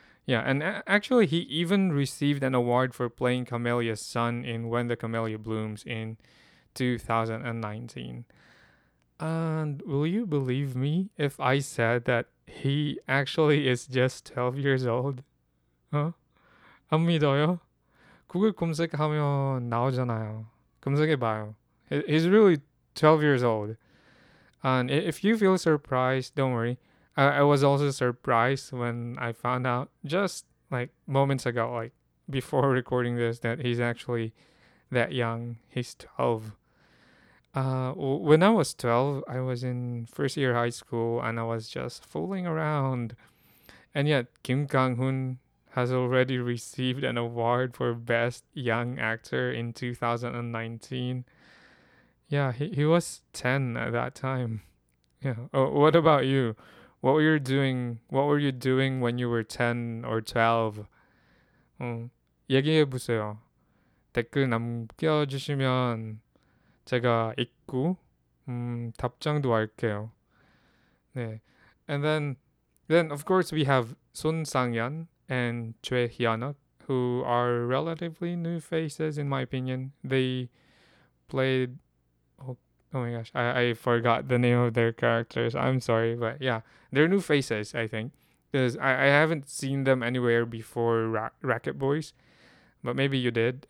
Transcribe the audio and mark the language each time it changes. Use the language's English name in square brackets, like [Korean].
[English] Yeah, and actually, he even received an award for playing Camellia's son in When the Camellia Blooms in 2019. And will you believe me if I said that he actually is just 12 years old? [Korean] Huh? 안 믿어요? 구글 검색하면 나오잖아요. 검색해봐요. [English] He's really 12 years old. And if you feel surprised, don't worry. I was also surprised when I found out just like moments ago, like before recording this, that he's actually that young. He's 12. When I was 12, I was in first year high school and I was just fooling around. And yet, Kim Kang-hoon has already received an award for Best Young Actor in 2019. Yeah, he was 10 at that time. Yeah. Oh, what about you? What were you doing when you were 10 or 12? [Korean] 얘기해 보세요. 댓글 남겨주시면 제가 읽고 답장도 할게요. 네. [English] And then of course we have Son Sang-yeon and Choi Hyun-ok, who are relatively new faces in my opinion. They played. Oh my gosh, I forgot the name of their characters. I'm sorry, but yeah, they're new faces, I think. Because I haven't seen them anywhere before Racket Boys, but maybe you did.